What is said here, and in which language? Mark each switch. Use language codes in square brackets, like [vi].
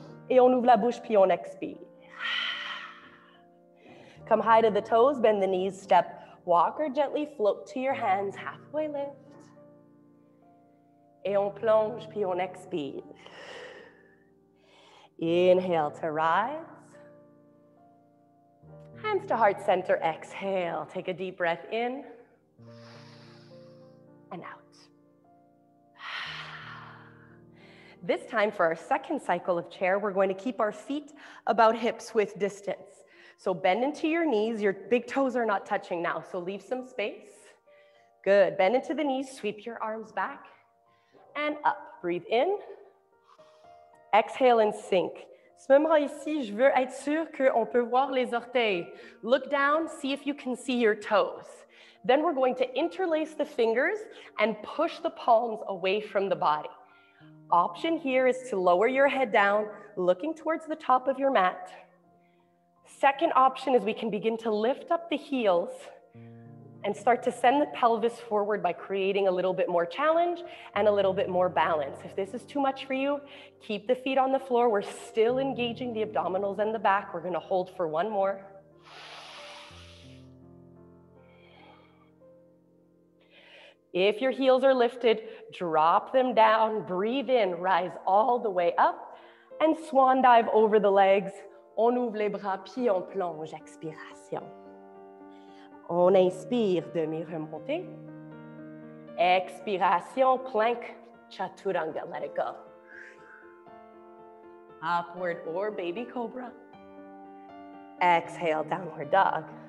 [fr] Et on ouvre la bouche, puis on expire. [en] Come high to the toes, bend the knees, step. Walk or gently float to your hands, halfway lift. [fr] Et on plonge, puis on expire. [en] Inhale to rise. Hands to heart center, exhale. Take a deep breath in and out. This time for our second cycle of chair, we're going to keep our feet about hips width distance. So bend into your knees. Your big toes are not touching now, so leave some space. Good, bend into the knees, sweep your arms back. And up, breathe in, exhale and sink. [fr] Ce moment ici, je veux être sûre qu'on peut voir les orteils. [en] Look down, see if you can see your toes. Then we're going to interlace the fingers and push the palms away from the body. Option here is to lower your head down, looking towards the top of your mat. Second option is we can begin to lift up the heels and start to send the pelvis forward by creating a little bit more challenge and a little bit more balance. If this is too much for you, keep the feet on the floor. We're still engaging the abdominals and the back. We're gonna hold for one more. If your heels are lifted, drop them down, breathe in, rise all the way up, and swan dive over the legs. [fr] On ouvre les bras, puis on plonge, expiration. On inspire, demi-remontée. Expiration, plank, chaturanga, [en] let it go. Upward or baby cobra. Exhale, downward dog.